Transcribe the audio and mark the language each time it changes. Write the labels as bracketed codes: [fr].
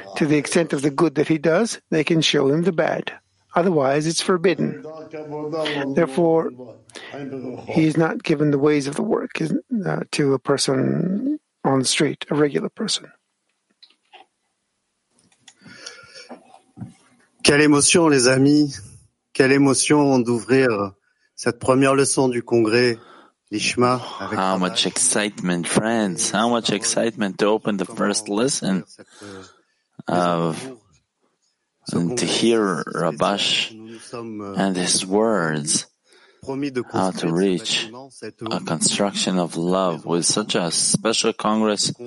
[en] To the extent of the good that he does, they can show him the bad. Otherwise, it's forbidden. Therefore, he is not given the ways of the work to a person on the street, a regular person. [fr] Quelle émotion, les amis! Quelle émotion d'ouvrir cette première leçon du congrès, l'Ishma. [en] How much excitement, friends! How much excitement to open the first lesson of and to hear Rabash and his words, how to reach a construction of love with such a special congress.